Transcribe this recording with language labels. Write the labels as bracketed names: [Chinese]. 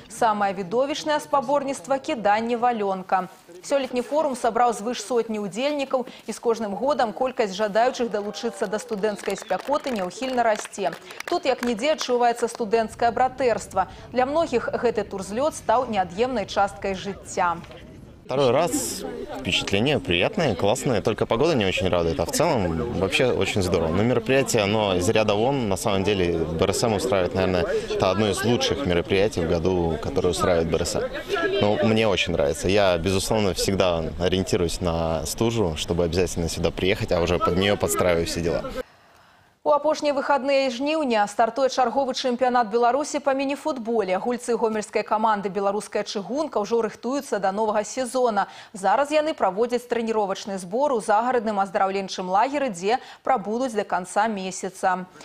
[Belarusian] Самае відовішнае спаборніцтва – кіданне валёнка. Сёлетні форум сабраў звыш сотні ўдзельнікаў, і з кожным годам колькасць жадаючых далучыцца да студэнцкай спякоты няўхільна расце. Тут як нідзе адчуваецца студэнцкае братэрства. Для многіх гэты турзлёт стаў неад'емнай часткай жыцця. [Russian] Второй раз впечатление приятное, классное, только погода не очень радует, а в целом вообще очень здорово. Но мероприятие, оно из ряда вон, на самом деле, БРСМ устраивает, наверное, это одно из лучших мероприятий в году, которое устраивает БРСМ. Ну, мне очень нравится. Я, безусловно, всегда ориентируюсь на стужу, чтобы обязательно сюда приехать, а уже под нее подстраиваю все дела. [Belarusian] У апошнія выхадныя жніўня стартуе чарговы чэмпіянат Беларусі па міні-футболе. Гульцы гомельскай каманды «Беларуская чыгунка» ўжо рыхтуюцца да новага сезона. Зараз яны праводзяць трэніровачны збор у загарадным аздараўленчым лагеры, дзе прабудуць да канца месяца.